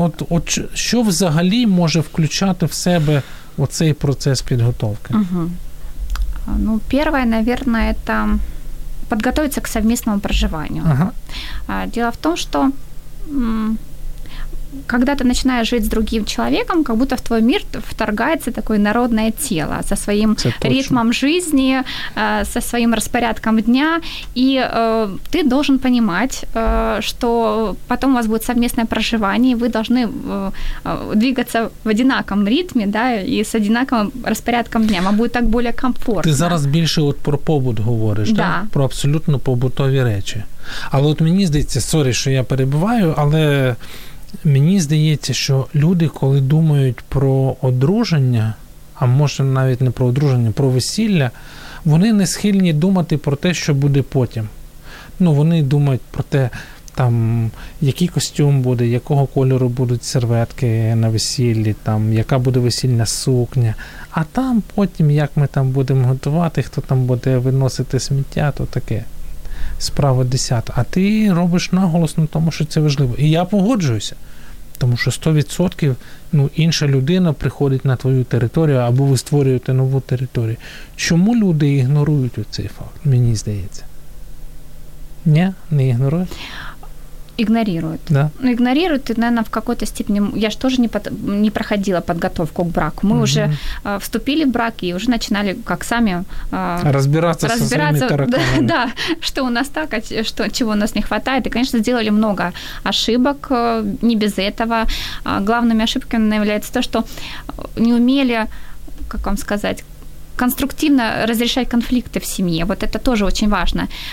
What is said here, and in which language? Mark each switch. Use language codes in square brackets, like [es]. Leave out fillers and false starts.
[uk] От що взагалі може включати в себе оцей процес підготовки? [ru] Первое, наверное, это подготовиться к совместному проживанию. Дело в том, что когда ты начинаешь жить с другим человеком, как будто в твой мир вторгается такое народное тело со своим ритмом жизни, со своим распорядком дня, и ты должен понимать, что потом у вас будет совместное проживание, и вы должны двигаться в одинаковом ритме, да, и с одинаковым распорядком дня. Вам будет так более комфортно. Ты зараз больше про побут говоришь, да? [uk] Про абсолютно побутові речі. Але от мені здається, сорі, що я перебуваю, але мені здається, що люди, коли думають про одруження, а може навіть не про одруження, про весілля, вони не схильні думати про те, що буде потім. Вони думають про те, там, який костюм буде, якого кольору будуть серветки на весіллі, там, яка буде весільна сукня. А там потім, як ми там будемо готувати, хто там буде виносити сміття, то таке. Справа 10. А ти робиш наголос на тому, що це важливо. І я погоджуюся. Тому що 100% інша людина приходить на твою територію, або ви створюєте нову територію. Чому люди ігнорують оцей факт, мені здається? Ні? Не ігнорують? Ігнорують. [ru] Да? [uk] Ігнорують, і, [ru] наверное, в какой-то степени... [uk] Я ж теж не проходила підготовку к браку. Ми вже вступили в брак і вже починали, як самі... Розбиратися со своїми тараканами. [ru] Да, что у нас так, чего у нас не хватает. И, конечно, сделали много ошибок, не без этого. Главными ошибками является то, что не умели, как вам сказать, конструктивно разрешать конфликты в семье. Вот это тоже очень важно.